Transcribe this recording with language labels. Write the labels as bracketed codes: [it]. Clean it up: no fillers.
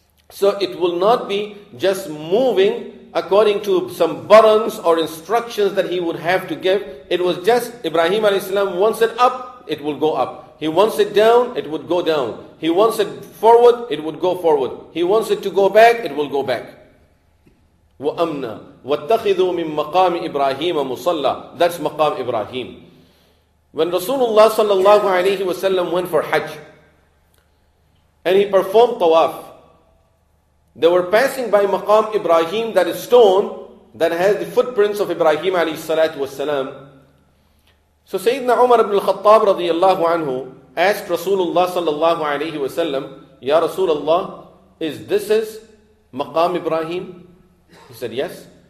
[en] So it will not be just moving according to some buttons or instructions that he would have to give. It was just Ibrahim alayhi salam wants it up, it will go up. He wants it down, it would go down. He wants it forward, it would go forward. He wants it to go back, it will go back. [ar] وَأَمْنَا وَاتَّخِذُوا مِن مَقَامِ إِبْرَاهِيمَ مُصَلَّى. [en] That's Maqam Ibrahim. When Rasulullah sallallahu alayhi wasallam went for Hajj and he performed tawaf, they were passing by Maqam Ibrahim, that is stone that has the footprints of Ibrahim alayhi salatu wasalam. So Sayyidina Umar ibn al-Khattab radiyallahu anhu asked Rasulullah sallallahu alayhi wasallam, "Ya Rasulullah, is this is Maqam Ibrahim?" He said, "Yes.